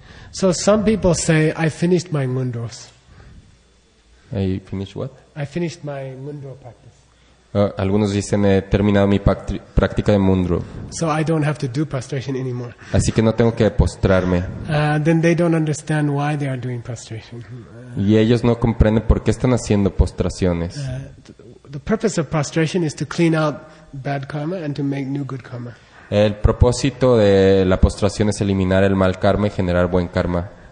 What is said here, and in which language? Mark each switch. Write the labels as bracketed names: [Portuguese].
[English] So some people say, I finished my mundros. I finished what? I finished my mundro practice. [Spanish] Algunos dicen, he terminado mi práctica de mundro. [English] So I don't have to do prostration anymore. [Spanish] Así que no tengo que postrarme. [English] Then they don't understand why they are doing prostration. [Spanish] Y ellos no comprenden por qué están haciendo postraciones. [English] The purpose of prostration is to clean out bad karma and to make new good karma. [Spanish] El propósito de la postración es eliminar el mal karma y generar buen karma.